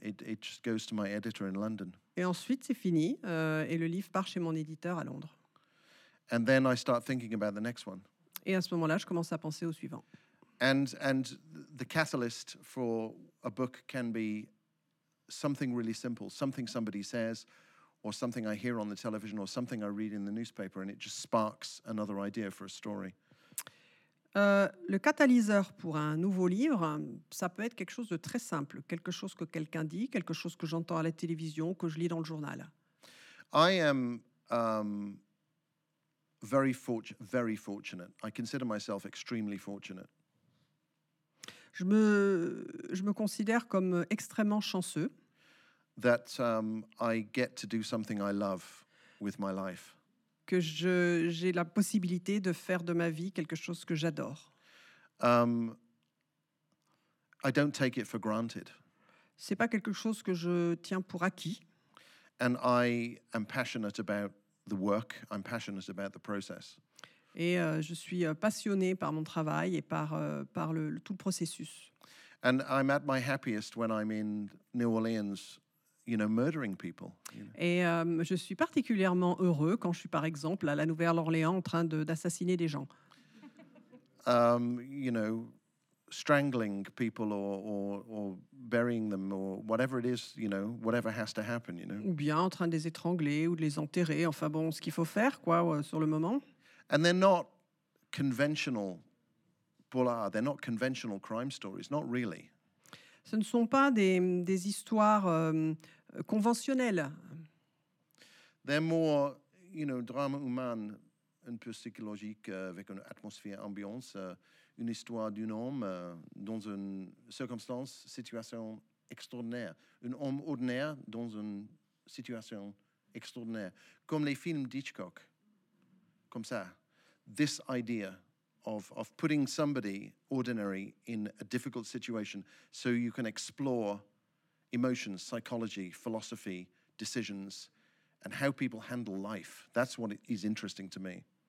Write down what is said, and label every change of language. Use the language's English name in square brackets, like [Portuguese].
[English] It just goes to my editor in London. [French] Et ensuite, c'est fini et le livre part chez mon éditeur à Londres. [English] And then I start thinking about the next one. [French] Et à ce moment-là, je commence à penser au suivant. [English] And the catalyst for a book can be something really simple, something somebody says, or something I hear on the television, or something I read in the newspaper, and it just sparks another idea for a story. [French] Le catalyseur pour un nouveau livre, ça peut être quelque chose de très simple, quelque chose que quelqu'un dit, quelque chose que j'entends à la télévision, que je lis dans le journal. [English] I am very fortunate. I consider myself extremely fortunate. [French] Je me considère comme extrêmement chanceux. [English] That I get to do something I love with my life. [French] Que j'ai la possibilité de faire de ma vie quelque chose que j'adore. [English] I don't take it for granted. [French] C'est pas quelque chose que je tiens pour acquis. [English] And I am passionate about the work. I'm passionate about the process. [French] Et je suis passionné par mon travail et par le tout le processus. [English] And I'm at my happiest when I'm in New Orleans. You know, murdering people. [French] Et je suis particulièrement heureux quand je suis, par exemple, à la Nouvelle-Orléans en train d'assassiner des gens. [English] You know, strangling people or burying them or whatever it is, you know, whatever has to happen, you know. [French] Ou bien en train de les étrangler ou de les enterrer. Enfin bon, ce qu'il faut faire, quoi, sur le moment. [English] And they're not conventional, Paula. They're not conventional crime stories. Not really. [French] Ce ne sont pas des histoires conventionnelles. [English] They're more, you know, [French] drama humain, un peu psychologique, avec une atmosphère, ambiance, une histoire d'un homme dans une circonstance, situation extraordinaire. Un homme ordinaire dans une situation extraordinaire. Comme les films d'Hitchcock. Comme ça. [English] This idea. Of putting somebody ordinary in a difficult situation so you can explore emotions, psychology, philosophy, decisions, and how people handle life. That's what is interesting to me.